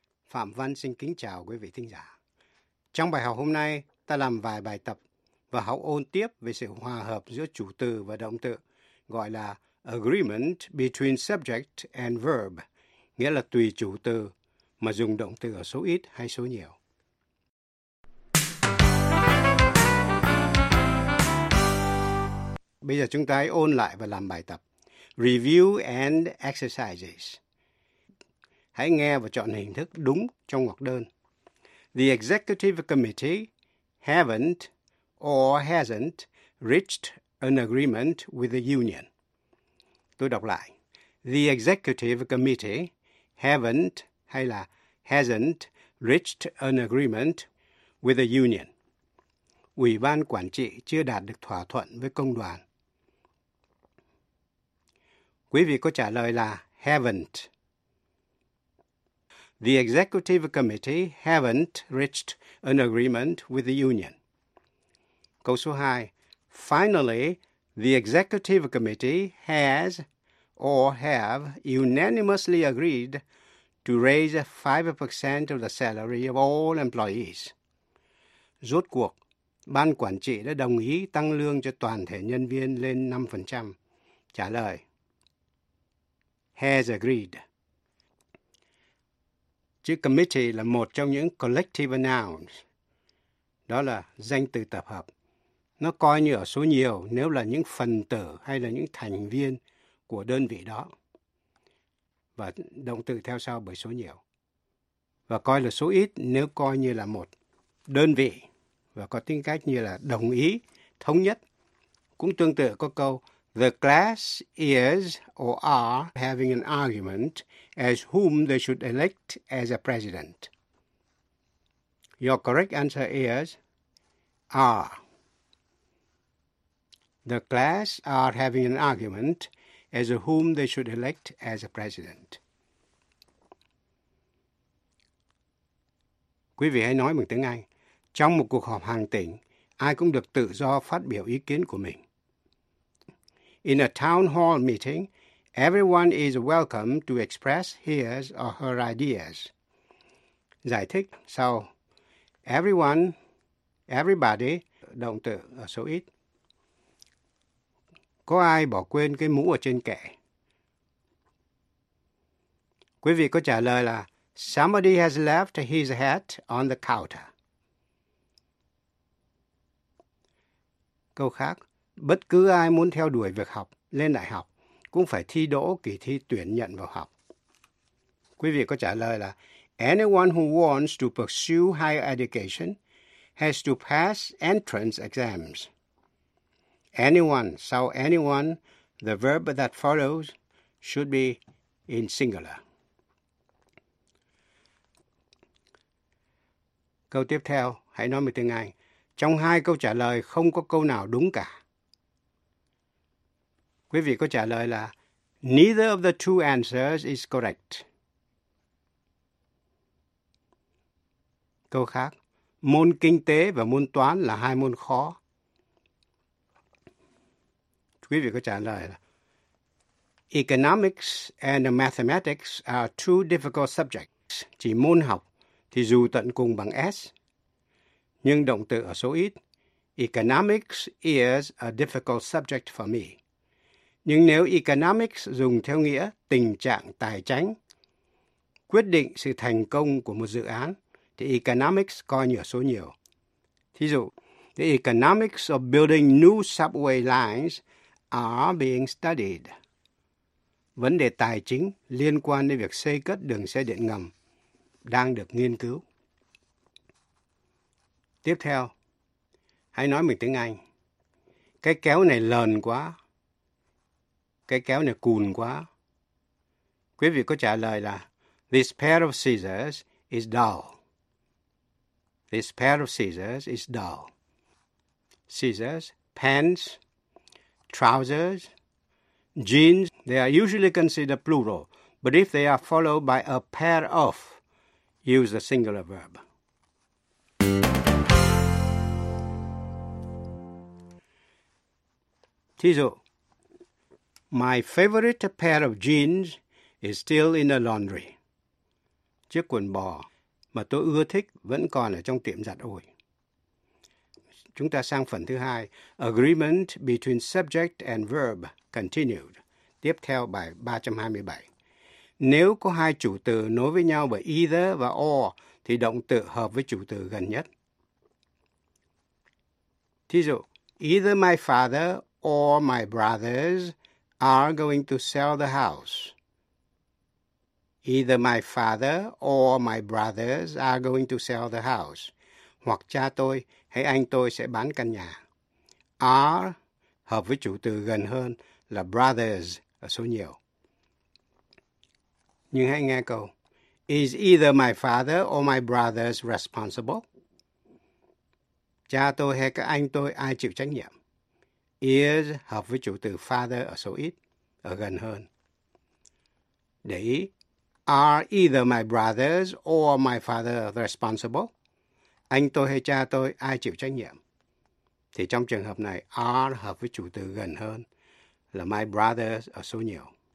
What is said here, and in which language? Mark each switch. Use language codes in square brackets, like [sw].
[vi] Phạm Văn xin kính chào quý vị thính giả. Trong bài học hôm nay, ta làm vài bài tập và học ôn tiếp về sự hòa hợp giữa chủ từ và động từ, gọi là [en] agreement between subject and verb, [vi] nghĩa là tùy chủ từ mà dùng động từ ở số ít hay số nhiều. Bây giờ chúng ta hãy ôn lại và làm bài tập. [en] Review and exercises. [vi] Hãy nghe và chọn hình thức đúng trong ngoặc đơn. [en] The executive committee haven't or hasn't reached an agreement with the union. [vi] Tôi đọc lại. [en] The executive committee haven't [vi] hay là [en] hasn't reached an agreement with the union. [vi] Ủy ban quản trị chưa đạt được thỏa thuận với công đoàn. Quý vị có trả lời là haven't. [en] The executive committee haven't reached an agreement with the union. [vi] Câu số 2. [en] Finally, the executive committee has or have unanimously agreed to raise 5% of the salary of all employees. [vi] Rốt cuộc, ban quản trị đã đồng ý tăng lương cho toàn thể nhân viên lên 5%. Trả lời. [en] Has agreed. [vi] Chữ committee là một trong những collective nouns. Đó là danh từ tập hợp. Nó coi như ở số nhiều nếu là những phần tử hay là những thành viên của đơn vị đó. Và động từ theo sau bởi số nhiều. Và coi là số ít nếu coi như là một đơn vị và có tính cách như là đồng ý, thống nhất. Cũng tương tự có câu [en] The class is or are having an argument as whom they should elect as a president. Your correct answer is are. The class are having an argument as whom they should elect as a president. [vi] Quý vị hãy nói bằng tiếng Anh. Trong một cuộc họp hàng tỉnh, ai cũng được tự do phát biểu ý kiến của mình. [en] In a town hall meeting, everyone is welcome to express his or her ideas. [vi] Giải thích sau. Everyone, everybody, động từ ở số ít. Có ai bỏ quên cái mũ ở trên kệ? Quý vị có trả lời là [en] somebody has left his hat on the counter. [vi] Câu khác. Bất cứ ai muốn theo đuổi việc học, lên đại học, cũng cũng phải thi đỗ kỳ thi tuyển nhận vào học. Quý vị có trả lời là [en] anyone who wants to pursue higher education has to pass entrance exams. Anyone, [vi] sau [en] anyone, the verb that follows should be in singular. [vi] Câu tiếp theo, hãy nói một tiếng Anh. Trong hai câu trả lời không có câu nào đúng cả. Quý vị có trả lời là [en] neither of the two answers is correct. [vi] Câu khác, môn kinh tế và môn toán là hai môn khó. Quý vị có trả lời là [en] economics and mathematics are two difficult subjects. [vi] Chỉ môn học thì dù tận cùng bằng S, nhưng động từ ở số ít. [en] Economics is a difficult subject for me. [vi] Nhưng nếu economics dùng theo nghĩa tình trạng tài chính, quyết định sự thành công của một dự án, thì economics coi như ở số nhiều. Thí dụ, [en] the economics of building new subway lines are being studied. [vi] Vấn đề tài chính liên quan đến việc xây cất đường xe điện ngầm đang được nghiên cứu. Tiếp theo, hãy nói mình tiếng Anh. Cái kéo này lờn quá. Cái kéo này cùn quá. Quý vị có trả lời là [en] this pair of scissors is dull. This pair of scissors is dull. Scissors, pants, trousers, jeans, they are usually considered plural, but if they are followed by a pair of, use the singular verb. [vi] Thí dụ, [en] my favorite pair of jeans is still in the laundry. [vi] Chiếc quần bò mà tôi ưa thích vẫn còn ở trong tiệm giặt ủi. Chúng ta sang phần thứ hai. [en] Agreement between subject and verb continued. [vi] Tiếp theo bài 327. Nếu có hai chủ từ nối với nhau bởi either và or, thì động từ hợp với chủ từ gần nhất. Thí dụ, [en] either my father or my brothers are going to sell the house. Either my father or my brothers are going to sell the house. [vi] Hoặc cha tôi hay anh tôi sẽ bán căn nhà. Are hợp với chủ từ gần hơn là brothers ở số nhiều. Nhưng hãy nghe câu. [en] Is either my father or my brothers responsible? [vi] Cha tôi hay các anh tôi ai chịu trách nhiệm? Is hợp với chủ từ father ở số ít, ở gần hơn. Để ý. [en] Are either my brothers or my father responsible? [vi] Anh tôi hay cha tôi, ai chịu trách nhiệm? Thì trong trường hợp này, are hợp với chủ từ gần hơn là my brothers ở số nhiều.